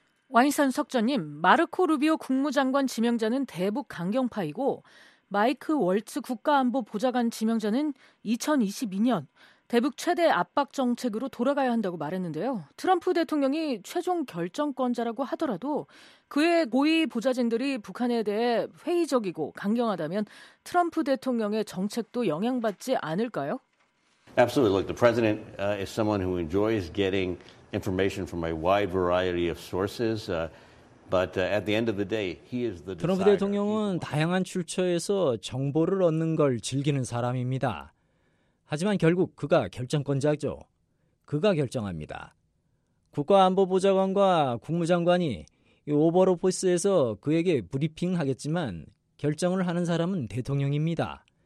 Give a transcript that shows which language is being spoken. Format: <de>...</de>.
<ko>와인산 석전님, 마르코 루비오 국무장관 지명자는 대북 강경파이고 마이크 월츠 국가안보보좌관 지명자는 2022년 대북 최대 압박 정책으로 돌아가야 한다고 말했는데요. 트럼프 대통령이 최종 결정권자라고 하더라도 그의 고위 보좌진들이 북한에 대해 회의적이고 강경하다면 트럼프 대통령의 정책도 영향받지 않을까요?</ko> <en>Absolutely. Look, the president is someone who enjoys getting information from a wide variety of sources. But at the end of the day, he is the</en> <ko>트럼프 대통령은 다양한 출처에서 정보를 얻는 걸 즐기는 사람입니다. 하지만 결국 그가 결정권자죠. 그가 결정합니다. 국가안보보좌관과 국무장관이 오벌 오피스에서 그에게 브리핑하겠지만 결정을 하는 사람은 대통령입니다.</ko>